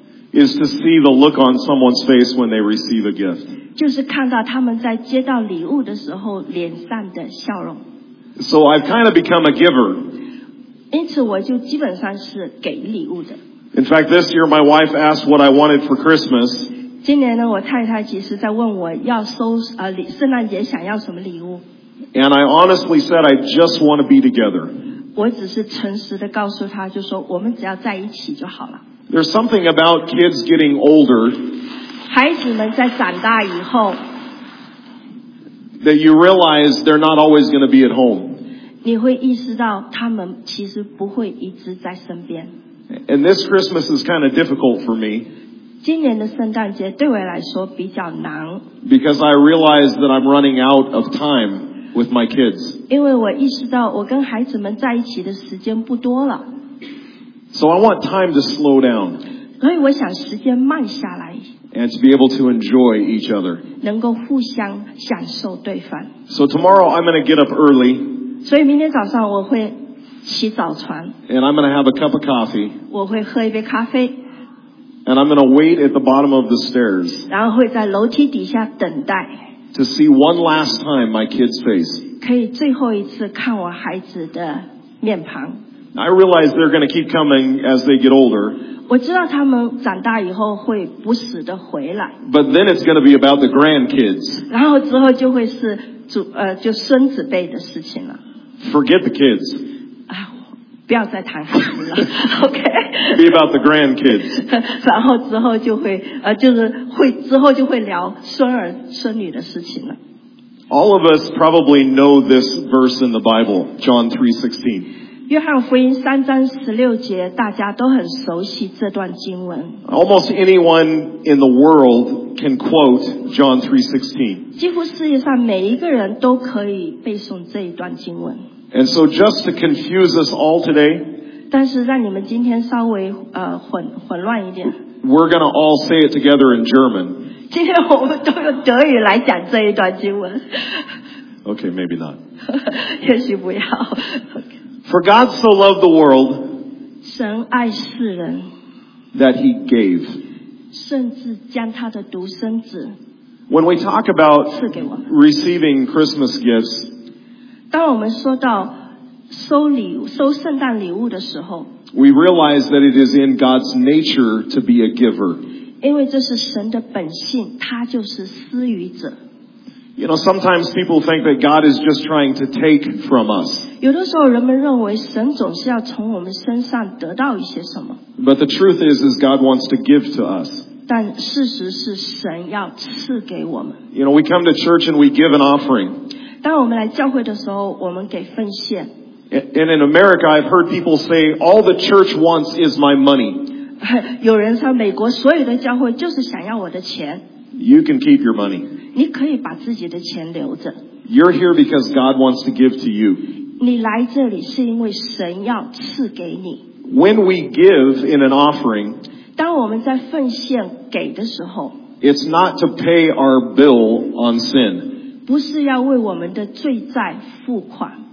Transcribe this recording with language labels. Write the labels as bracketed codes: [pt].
[en] Is to see the look on someone's face when they receive a gift. [zh] 就是看到他们在接到礼物的时候脸上的笑容。 [en] So I've kind of become a giver. [zh] 因此我就基本上是给礼物的。 [en] In fact, this year my wife asked what I wanted for Christmas. [zh] 今年呢，我太太其实在问我要收圣诞节想要什么礼物。 [en] And I honestly said I just want to be together. [zh] 我只是诚实的告诉她，就说我们只要在一起就好了。 [en] There's something about kids getting older. [zh] 孩子们在长大以后 [en] that you realize they're not always going to be at home. [zh] 你会意识到他们其实不会一直在身边。 [en] And this Christmas is kind of difficult for me. [zh] 今年的圣诞节对我来说比较难。 [en] Because I realize that I'm running out of time with my kids. [zh] 因为我意识到我跟孩子们在一起的时间不多了。 [en] So I want time to slow down. [zh] 所以我想时间慢下来。 [en] And to be able to enjoy each other. [zh] 能够互相享受对方。 [en] So tomorrow I'm going to get up early. [zh] 所以明天早上我会起早床。 [en] And I'm going to have a cup of coffee. [zh] 我会喝一杯咖啡。 [en] And I'm going to wait at the bottom of the stairs. [zh] 然后会在楼梯底下等待。 [en] To see one last time my kid's face. [zh] 可以最后一次看我孩子的面庞。 [en] I realize they're going to keep coming as they get older. [zh] 我知道他们长大以后会不时的回来。 [en] But then it's going to be about the grandkids. [zh] 然后之后就会是就孙子辈的事情了。 [en] Forget the kids. [zh] 不要再谈孩子了 ，OK。 [en] Be about the grandkids。 [zh] 然后之后就会就是会之后就会聊孙儿孙女的事情了。 [en] All of us probably know this verse in the Bible, John 3:16. [zh] 约翰福音三章十六节，大家都很熟悉这段经文。 [en] Almost anyone in the world can quote John 3:16. [zh] 几乎世界上每一个人都可以背诵这一段经文。 [en] And so just to confuse us all today, [zh] 但是让你们今天稍微混乱一点。 [en] We're going to all say it together in German. [zh] 今天我们都用德语来讲这一段经文。 [en] Okay, maybe not. [zh] 也许不要。 [en] For God so loved the world, [zh] 神爱世人 [en] that he gave, [zh] 甚至将他的独生子 [en] When we talk about receiving Christmas gifts, [zh] 当我们说到收礼物、收圣诞礼物的时候 [en] ，We realize that it is in God's nature to be a giver. [zh] 因为这是神的本性，他就是施予者。 [en] You know, sometimes people think that God is just trying to take from us. [zh] 有的时候，人们认为神总是要从我们身上得到一些什么。 [en] But the truth is God wants to give to us. [zh] 但事实是，神要赐给我们。 [en] You know, we come to church and we give an offering. [zh] 当我们来教会的时候，我们给奉献。 [en] And in America, I've heard people say, all the church wants is my money. [zh] 有人说美国所有的教会就是想要我的钱。 [en] You can keep your money. [zh] 你可以把自己的钱留着。 [en] You're here because God wants to give to you. [zh] 你来这里是因为神要赐给你。 [en] When we give in an offering, [zh] 当我们在奉献给的时候 [en] it's not to pay our bill on sin. [zh] 不是要为我们的罪债付款。